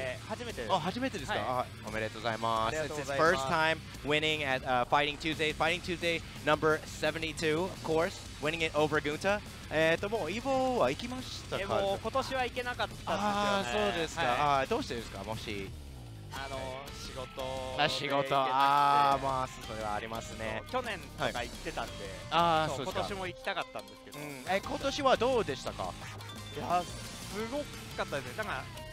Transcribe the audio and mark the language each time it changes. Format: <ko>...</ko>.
<ja>あと、今日は初めてですか?初めてですか?</ja> <en>It's his first time winning at Fighting Tuesday. Fighting Tuesday number 72, of course. Winning it over Gunta.</en> <ja>もう、イボは行きましたか?ああ、そうですか。どうしてですか?もし。仕事。仕事。ああ、まあ、それはありますね。去年とか行ってたんで、今年も行きたかったんですけど。え、今年はどうでしたか?いや、すごかったですね。だから、</ja>